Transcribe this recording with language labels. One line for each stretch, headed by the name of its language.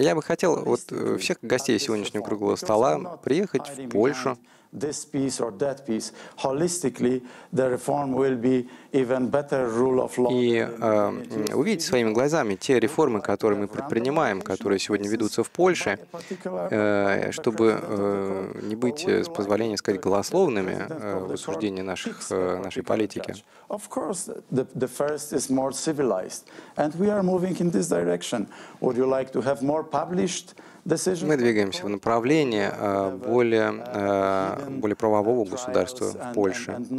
Russian: Я бы хотел вот всех гостей сегодняшнего круглого стола приехать в Польшу.
English: This piece or that piece. Holistically, the reform will be even better rule of law.
Russian: И увидеть своими глазами те реформы, которые мы предпринимаем, которые сегодня ведутся в Польше, чтобы не быть, с позволения сказать, голословными в осуждении нашей политики.
English: Of course, the first is more civilized, and we are moving in this direction. Would you like to have more published?
Russian: Мы двигаемся в направлении более правового государства в Польше.